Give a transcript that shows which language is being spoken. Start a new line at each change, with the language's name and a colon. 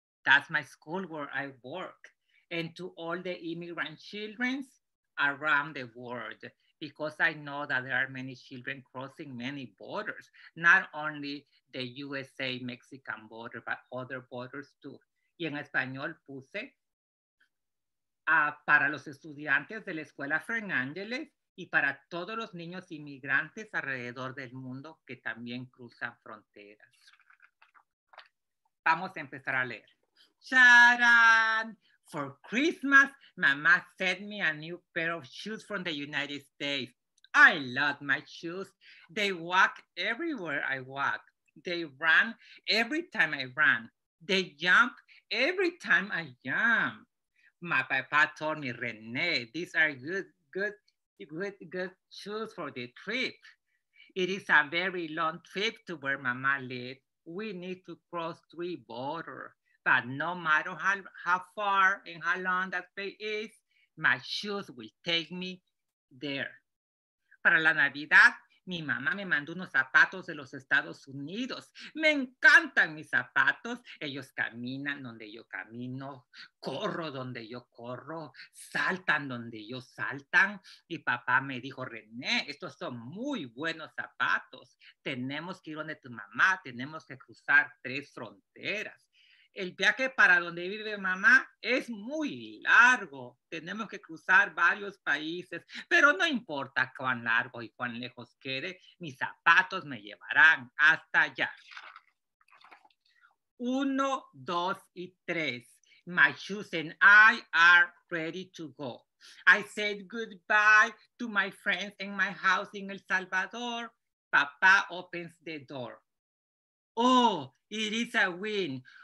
English: That's my school where I work. And to all the immigrant children around the world, because I know that there are many children crossing many borders, not only the USA-Mexican border, but other borders too.
Spanish: Y en español puse, para los estudiantes de la Escuela Fernández y para todos los niños inmigrantes alrededor del mundo que también cruzan fronteras. Vamos a empezar a leer. ¡Tarán!
English: For Christmas, Mama sent me a new pair of shoes from the United States. I love my shoes. They walk everywhere I walk. They run every time I run. They jump every time I jump. My papa told me, Rene, these are good shoes for the trip. It is a very long trip to where Mama lived. We need to cross 3 borders. But no matter how far and how long that way is, my shoes will take me there.
Spanish: Para la Navidad, mi mamá me mandó unos zapatos de los Estados Unidos. Me encantan mis zapatos. Ellos caminan donde yo camino, corro donde yo corro, saltan donde yo saltan. Y papá me dijo, René, estos son muy buenos zapatos. Tenemos que ir donde tu mamá, tenemos que cruzar 3 fronteras. El viaje para donde vive mamá es muy largo. Tenemos que cruzar varios países, pero no importa cuán largo y cuán lejos quede, mis zapatos me llevarán hasta allá. 1, 2, y 3.
English: My shoes and I are ready to go. I said goodbye to my friends and my house in El Salvador. Papá opens the door. Oh, it is a win.